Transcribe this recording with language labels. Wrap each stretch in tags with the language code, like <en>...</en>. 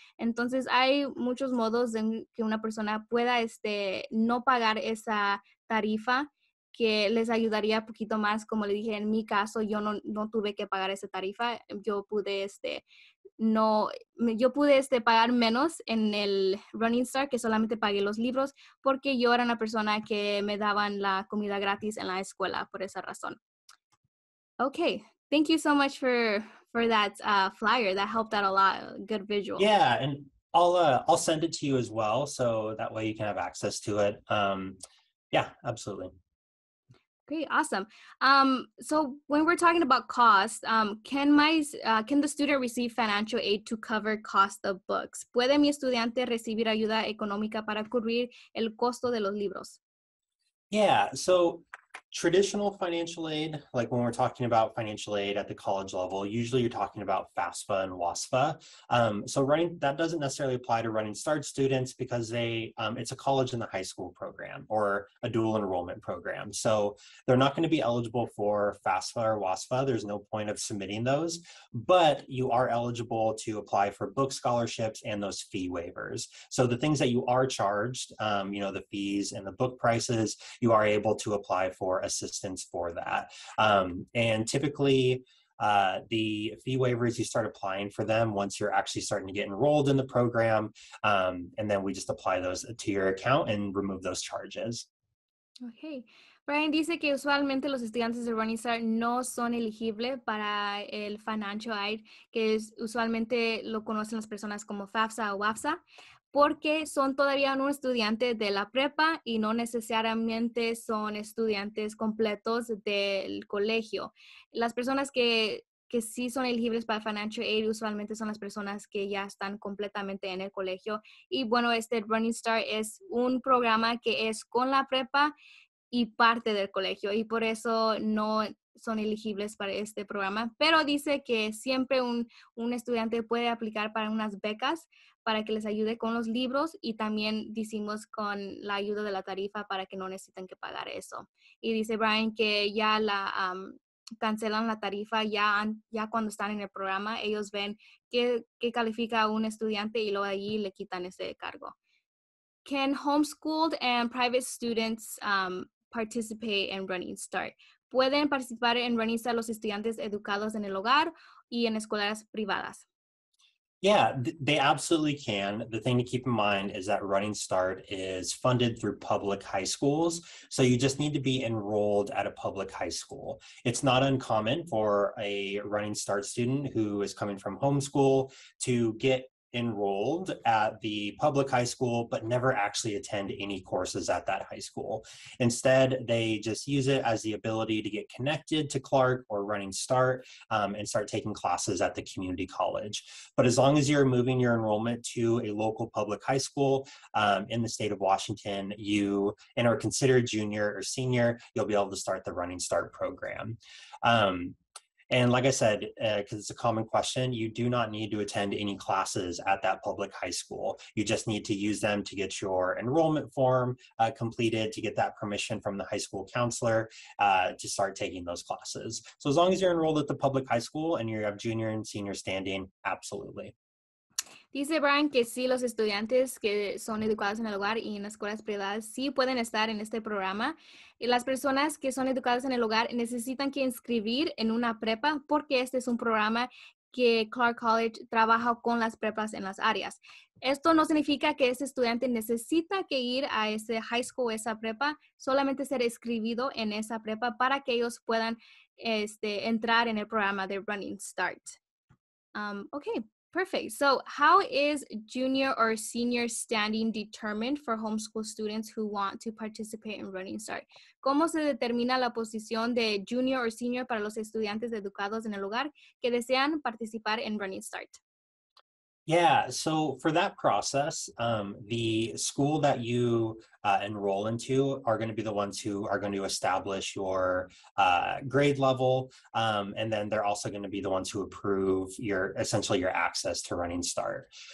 <es>Entonces, hay muchos modos de que una persona pueda no pagar esa tarifa, que les ayudaría un poquito más. Como le dije, en mi caso, yo no tuve que pagar esa tarifa. Yo pude no, yo pude pagar menos en el Running Start, que solamente pagué los libros, porque yo era una persona que me daban la comida gratis en la escuela por esa razón.</es> <en>Okay, thank you so much for that flyer. That helped out a lot. Good visual. Yeah, and I'll send it to you as well, so that way you can have access to it. Yeah, absolutely. Great, awesome. So when we're talking about cost, can the student receive financial aid to cover cost of books?</en> <es>¿Puede mi estudiante recibir ayuda económica para cubrir el costo de los libros?</es> <en>Yeah, so traditional financial aid, like when we're talking about financial aid at the college level, usually you're talking about FAFSA and WASFA. That doesn't necessarily apply to Running Start students because it's a college and the high school program or a dual enrollment program. So they're not going to be eligible for FAFSA or WASFA. There's no point of submitting those, but you are eligible to apply for book scholarships and those fee waivers. So the things that you are charged, the fees and the book prices, you are able to apply for assistance for that. And typically, the fee waivers, you start applying for them once you're actually starting to get enrolled in the program. And then we just apply those to your account and remove those charges. Okay.</en> <es>Brian dice que usualmente los estudiantes de Running Start no son elegibles para el financial aid, que es usualmente lo conocen las personas como FAFSA o WAFSA, porque son todavía un estudiante de la prepa y no necesariamente son estudiantes completos del colegio. Las personas que sí son elegibles para financial aid usualmente son las personas que ya están completamente en el colegio. Y bueno, este Running Start es un programa que es con la prepa y parte del colegio, y por eso no son elegibles para este programa. Pero dice que siempre un estudiante puede aplicar para unas becas para que les ayude con los libros, y también decimos con la ayuda de la tarifa para que no necesiten que pagar eso. Y dice Brian que ya la cancelan la tarifa ya cuando están en el programa. Ellos ven qué califica a un estudiante y luego allí le quitan ese cargo.</es> <en>Can homeschooled and private students participate in Running Start?</en> <es>¿Pueden participar en Running Start los estudiantes educados en el hogar y en escuelas privadas?</es> <en>Yeah, they absolutely can. The thing to keep in mind is that Running Start is funded through public high schools, so you just need to be enrolled at a public high school. It's not uncommon for a Running Start student who is coming from homeschool to get enrolled at the public high school, but never actually attend any courses at that high school. Instead, they just use it as the ability to get connected to Clark or Running Start and start taking classes at the community college. But as long as you're moving your enrollment to a local public high school in the state of Washington, you and are considered junior or senior, you'll be able to start the Running Start program. And like I said, because it's a common question, you do not need to attend any classes at that public high school. You just need to use them to get your enrollment form completed, to get that permission from the high school counselor to start taking those classes. So as long as you're enrolled at the public high school and you have junior and senior standing, absolutely.</en> <es>Dice Brian que sí, los estudiantes que son educados en el hogar y en escuelas privadas sí pueden estar en este programa. Y las personas que son educadas en el hogar necesitan que inscribir en una prepa, porque este es un programa que Clark College trabaja con las prepas en las áreas. Esto no significa que ese estudiante necesita que ir a ese high school o esa prepa, solamente ser inscrito en esa prepa para que ellos puedan entrar en el programa de Running Start.</es> <en>Okay. Perfect. So how is junior or senior standing determined for homeschool students who want to participate in Running Start?</en> <es>¿Cómo se determina la posición de</es> <en>junior or senior</en> <es>para los estudiantes educados en el hogar que desean participar en Running Start?</es> <en>Yeah, so for that process, the school that you enroll into are going to be the ones who are going to establish your grade level, and then they're also going to be the ones who approve your access to Running Start.</en>